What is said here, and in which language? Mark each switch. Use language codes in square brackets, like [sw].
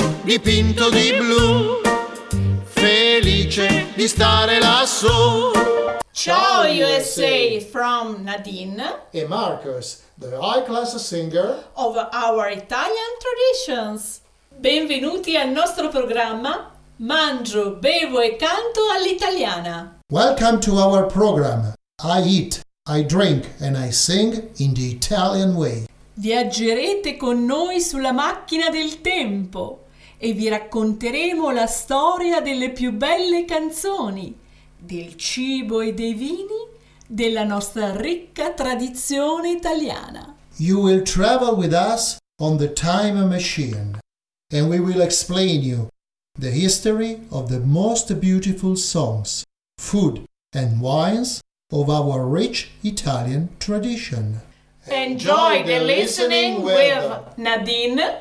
[it] dipinto di blu, felice di stare lassù. [en] Ciao USA from Nadine e Marcus, the high class singer of our Italian traditions. [it] Benvenuti al nostro programma Mangio, bevo e canto all'italiana. [en] Welcome to our program. I eat, I drink and I sing in the Italian way. [it] Viaggerete con noi sulla macchina del tempo e vi racconteremo la storia delle più belle canzoni, del cibo e dei vini, della nostra ricca tradizione italiana. [en] You will travel with us on the time machine and we will explain you the history of the most beautiful songs, food and wines of our rich Italian tradition. Enjoy the listening with Nadine